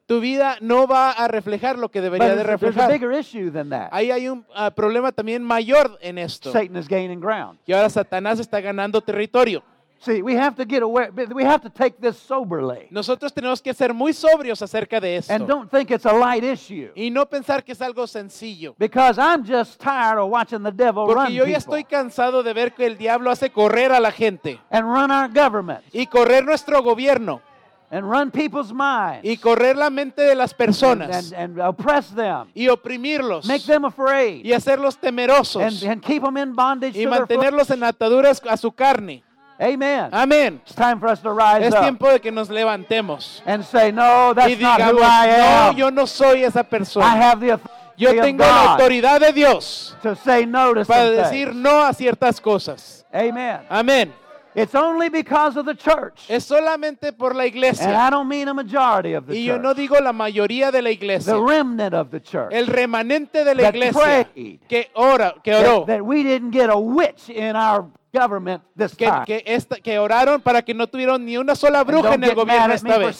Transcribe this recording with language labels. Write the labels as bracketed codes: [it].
[es] Tu vida no va a reflejar lo que debería [en] But [es] de reflejar. [en] There's a bigger issue than that. [es] Ahí hay un problema también mayor en esto. [en] Satan is gaining ground. [es] Y ahora Satanás está ganando territorio. [en] See, we have to get aware. We have to take this soberly. [es] Nosotros tenemos que ser muy sobrios acerca de esto. [en] And don't think it's a light issue. [es] Y no pensar que es algo sencillo. [en] Because I'm just tired of watching the devil [es] Porque [en] run [es] Porque yo ya Estoy cansado de ver que el diablo hace correr a la gente. [en] And run our government. [es] Y correr nuestro gobierno. [en] And run people's minds. [es] Y correr la mente de las personas. [en] And oppress them. [es] Y oprimirlos. [en] Make them afraid. [es] Y hacerlos temerosos. [en] And keep them in bondage. [es] Y mantenerlos en ataduras a su carne. [en] Amen. [es] Amen. [en] It's time for us to rise [es] es [en] up. [es] Es tiempo de que nos levantemos. [en] And say, no, that's [es] y digamos, [en] not who I am. [es] No, yo no soy esa persona. [en] I have the authority. [es] Yo tengo la autoridad de Dios. [en] To say no to [es] para decir [en] things. [es] No a ciertas cosas. [en] Amen. [es] Amen. [en] It's only because of the church. [es] Es solamente por la iglesia. [en] And I don't mean a majority of the church. [es] Y yo no digo la mayoría de la iglesia. [en] The remnant of the church. [es] El remanente de la iglesia. [en] That prayed. [es] Que oró. [en] That we didn't get a witch in our government this time. [es] Que oraron para que no tuvieron ni una sola bruja en el gobierno esta vez.